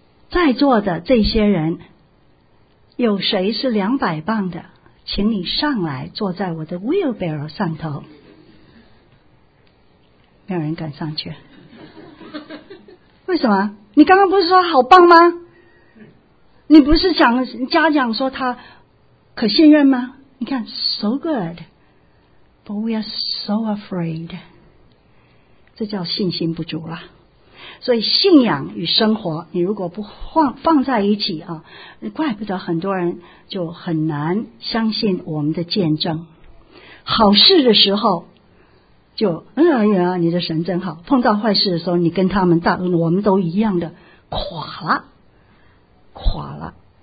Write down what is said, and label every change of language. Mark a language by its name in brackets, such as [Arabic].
[Chinese] 在座的这些人有谁是200磅的，请你上来坐在我的 wheelbarrow 上头。没有人敢上去，为什么？你刚刚不是说好棒吗？你不是想嘉奖说他可信任吗？你看 [English] so good but we are so afraid， [Chinese] 这叫信心不足了。所以信仰与生活你如果不放在一起怪不得很多人就很难相信我们的见证。好事的时候就你的神真好，碰到坏事的时候你跟他们大我们都一样的垮了。